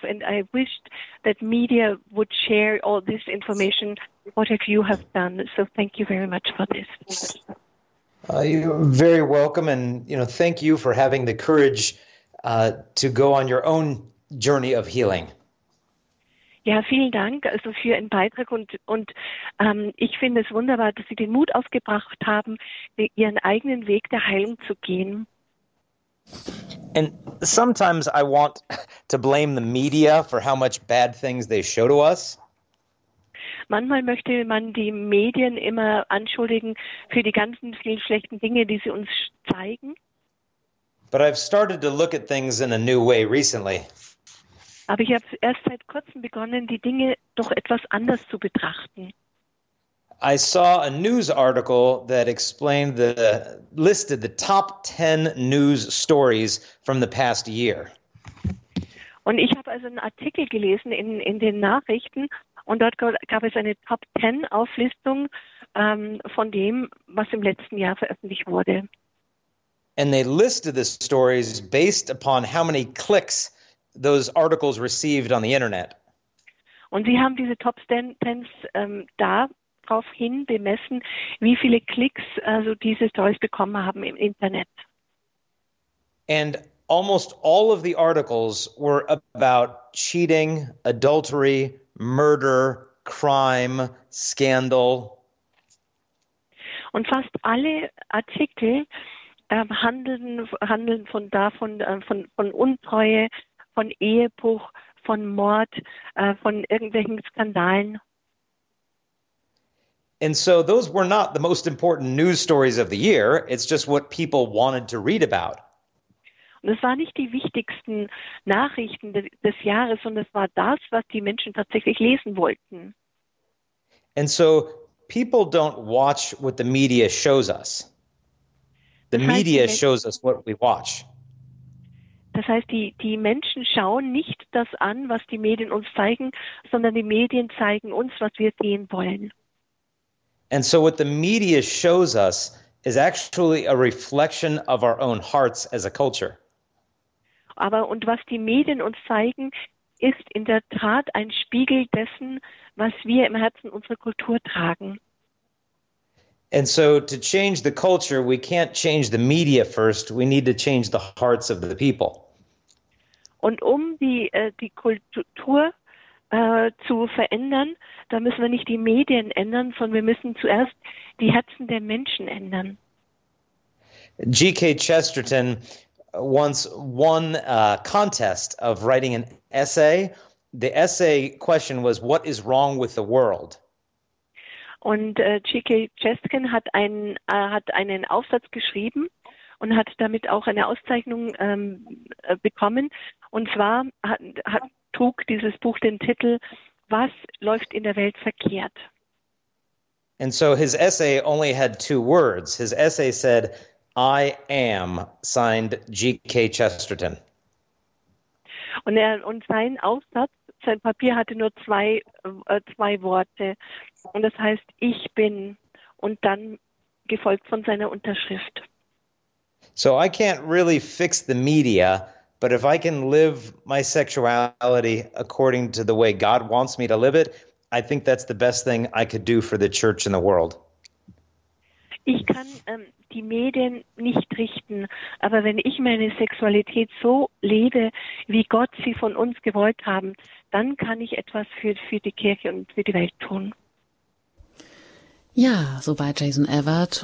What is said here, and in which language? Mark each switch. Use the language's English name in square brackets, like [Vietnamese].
[English] And I wished that media would share all this information. What have you have done? So thank you very much for this. You're very welcome. And, you know, thank you for having the courage to go on your own journey of healing. [German] Ja, vielen Dank also für Ihren Beitrag und ich finde es wunderbar, dass Sie den Mut aufgebracht haben, Ihren eigenen Weg der Heilung zu gehen. [English] And sometimes I want to blame the media for how much bad things they show to us. [German] Manchmal möchte man die Medien immer anschuldigen für die ganzen vielen schlechten Dinge, die sie uns zeigen. [English] But I've started to look at things in a new way recently. [German] Aber ich habe erst seit kurzem begonnen, die Dinge doch etwas anders zu betrachten. [English] I saw a news article that explained the listed the top 10 news stories from the past year. [German] Und ich habe also einen Artikel gelesen in den Nachrichten und dort gab es eine Top 10 Auflistung von dem, was im letzten Jahr veröffentlicht wurde. [English] And they listed the stories based upon how many clicks those articles received on the internet. [German] Und sie haben diese Top 10 daraufhin bemessen, wie viele Klicks also diese Stories bekommen haben im Internet. [English] And almost all of the articles were about cheating, adultery, murder, crime, scandal. [German] Und fast alle Artikel handeln von davon von Untreue, von Ehebruch, von Mord, von irgendwelchen Skandalen. [English] And so those were not the most important news stories of the year. It's just what people wanted to read about. [German] Und es waren nicht die wichtigsten Nachrichten des Jahres, sondern es war das, was die Menschen tatsächlich lesen wollten. [English] And so people don't watch what the media shows us. The media shows us what we watch. [German] Das heißt, die Menschen schauen nicht das an, was die Medien uns zeigen, sondern die Medien zeigen uns, was wir sehen wollen. [English] And so what the media shows us is actually a reflection of our own hearts as a culture. [German] Aber und was die Medien uns zeigen, ist in der Tat ein Spiegel dessen, was wir im Herzen unserer Kultur tragen. [English] And so to change the culture, we can't change the media first. We need to change the hearts of the people. [German] Und um die Kultur zu verändern, da müssen wir nicht die Medien ändern, sondern wir müssen zuerst die Herzen der Menschen ändern. [English] G.K. Chesterton once won a contest of writing an essay. The essay question was, what is wrong with the world? [German] Und G.K. Chesterton hat einen Aufsatz geschrieben und hat damit auch eine Auszeichnung bekommen. Und zwar trug dieses Buch den Titel, Was läuft in der Welt verkehrt? [English] And so his essay only had two words. His essay said, I am, signed G.K. Chesterton. [German] Und sein Aufsatz, sein Papier hatte nur zwei Worte. Und das heißt, ich bin. Und dann gefolgt von seiner Unterschrift. [English] So I can't really fix the media, but if I can live my sexuality according to the way God wants me to live it, I think that's the best thing I could do for the church and the world. [German] Ich kann die Medien nicht richten, aber wenn ich meine Sexualität so lebe, wie Gott sie von uns gewollt haben, dann kann ich etwas für die Kirche und für die Welt tun. Ja, soweit Jason Evert.